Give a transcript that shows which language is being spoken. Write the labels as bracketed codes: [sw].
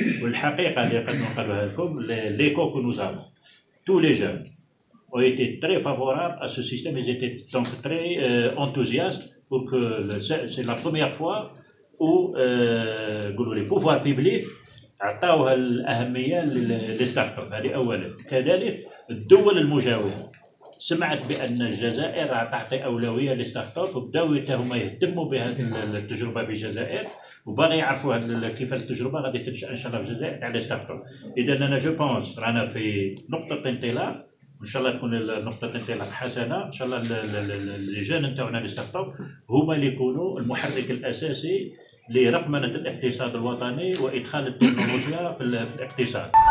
[ar] والحقيقه اللي قد نقولها لكم [fr] ليكو كونوزامو تو لي جون ont été très favorables à ce système. Ils étaient donc très enthousiastes pour que c'est la première fois où les pouvoirs publics ont donné l'importance aux startups. C'est la première fois. Les pays voisins ont entendu que l'Algérie a donné la priorité aux startups. Ils ont commencé à s'intéresser à cette expérience en Algérie. [ar] وباغي يعرفوا كيف التجربه غادي تنشا ان شاء الله في الجزائر تاع لي ستارت اب. اذا انا جو بونس رانا في نقطه انطلاق وان شاء الله تكون نقطه انطلاق حسنه ان شاء الله لي جون نتاعنا لي ستارت اب هما اللي يكونوا المحرك الاساسي لرقمنه الاقتصاد الوطني وادخال التكنولوجيا في الاقتصاد.